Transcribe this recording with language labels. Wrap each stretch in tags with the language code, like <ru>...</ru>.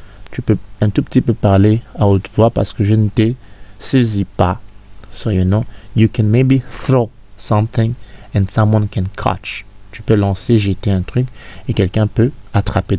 <fr>Tu peux un tout petit peu parler à haute voix parce que je ne t'ai saisi pas.</fr> <en>So you know, you can maybe throw something and someone can catch.</en> <fr>Tu peux lancer, jeter un truc et quelqu'un peut attraper.</fr>